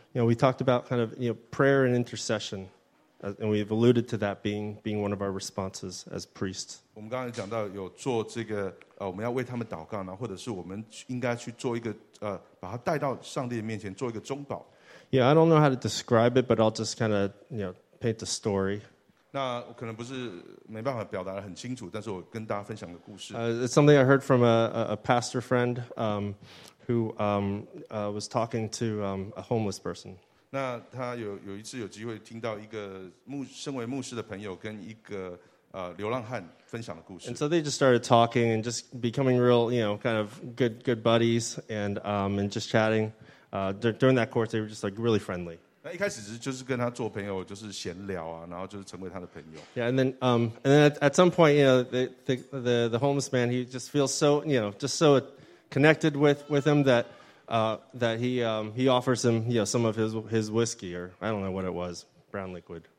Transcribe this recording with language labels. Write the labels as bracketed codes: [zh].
[en] You know, we talked about kind of you know, prayer and intercession, and we've alluded to that being one of our responses as priests. [zh] 我们刚才讲到有做这个我们要为他们祷告呢，或者是我们应该去做一个把他带到上帝的面前做一个中保。 [en] Yeah, I don't know how to describe it, but I'll just kind of you know paint the story. [zh] 那可能不是没办法表达得很清楚，但是我跟大家分享个故事。 [en] It's something I heard from a pastor friend. Who was talking to a homeless person. [zh] 那他有一次有机会听到一个身为牧师的朋友跟一个流浪汉分享的故事。 [en] And so they just started talking and just becoming real, you know, kind of good buddies and just chatting. During that course, they were just like really friendly. [zh] 那一开始就是跟他做朋友，就是闲聊啊，然后就是成为他的朋友。 [en] Yeah, and then at some point, you know, the homeless man, he just feels so, you know, just so connected with him that he offers him you know, some of his whiskey or I don't know what it was brown liquid.